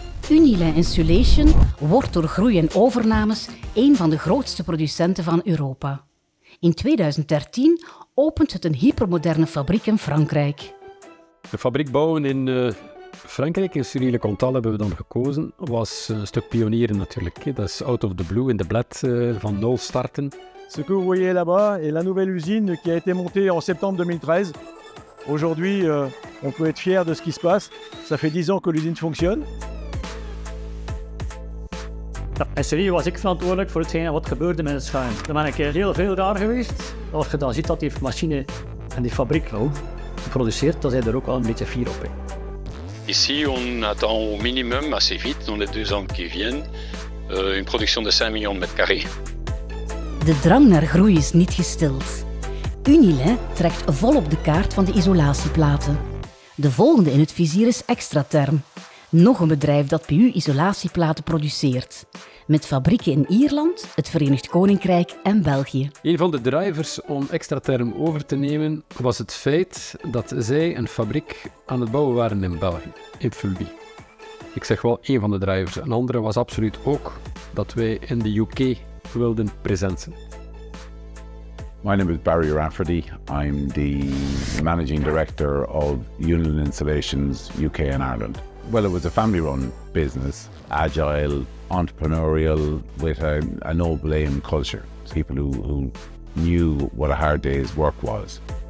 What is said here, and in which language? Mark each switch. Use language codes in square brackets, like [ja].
[nl] Unilin Insulation wordt door groei en overnames een van de grootste producenten van Europa. In 2013 opent het een hypermoderne fabriek in Frankrijk. De fabriek bouwen in Frankrijk en Surrey-le-Comte hebben we dan gekozen. Was een stuk pionieren natuurlijk. Dat is [en] out of the blue [nl] in de bled van nul starten. [fr] Ce que vous voyez là-bas est la nouvelle usine qui a été montée en septembre 2013. Aujourd'hui, on peut être fier de ce qui se passe. Ça fait 10 ans que l'usine fonctionne. [nl] In Surrey was ik verantwoordelijk voor hetgeen wat gebeurde met het schuim. Dan ben ik heel veel daar geweest. Als je dan ziet dat die machine en die fabriek produceert, dan zijn er ook wel een beetje fier op. [fr] Ici, on attend au minimum, assez vite, dans les 2 ans qui viennent, une production de 5 millions de mètres carrés. [nl] De drang naar groei is niet gestild. Unilin trekt volop de kaart van de isolatieplaten. De volgende in het vizier is Extraterm. Nog een bedrijf dat PU isolatieplaten produceert. Met fabrieken in Ierland, het Verenigd Koninkrijk en België. Een van de drivers om Extraterm over te nemen was het feit dat zij een fabriek aan het bouwen waren in België, in Fulby. Ik zeg wel één van de drivers. Een andere was absoluut ook dat wij in de UK wilden present zijn. [en] My name is Barry Rafferty. I'm the managing director of Unilin Insulations UK and Ireland. Well, it was a family-run business, agile, entrepreneurial, with a no-blame culture. People who knew what a hard day's work was.